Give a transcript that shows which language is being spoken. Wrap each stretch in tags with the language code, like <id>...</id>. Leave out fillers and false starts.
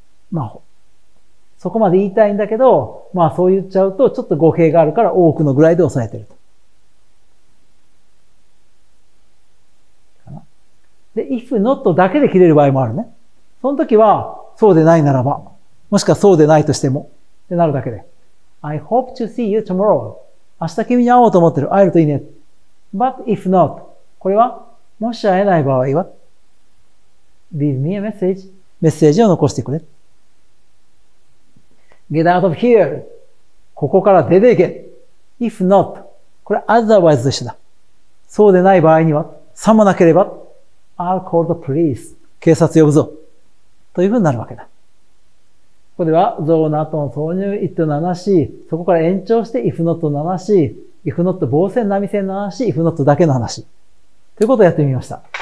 <ja>まあ、そこまで言いたいんだけど、まあそう言っちゃうと、ちょっと語弊があるから多くのぐらいで抑えてると。で、if not だけで切れる場合もあるね。その時は、そうでないならば、もしくはそうでないとしても、ってなるだけで。</ja> <en>I hope to see you tomorrow.</en> <ja>明日君に会おうと思ってる。会えるといいね。</ja> <en>But if not,</en> <ja>これは、もし会えない場合は、</ja> <en>leave me a message.</en> <ja>メッセージを残してくれ。</ja> <en>Get out of here.</en> <ja>ここから出ていけ。</ja> <en>If not.</en> <ja>これ otherwise と一緒だ。そうでない場合には、さもなければ。</ja> <en>I'll call the police.</en> <ja>警察呼ぶぞ。というふうになるわけだ。ここでは、though の後の挿入 it の7し、そこから延長して if not 7し、if not 防線並線7し、if not だけの話。ということをやってみました。</ja>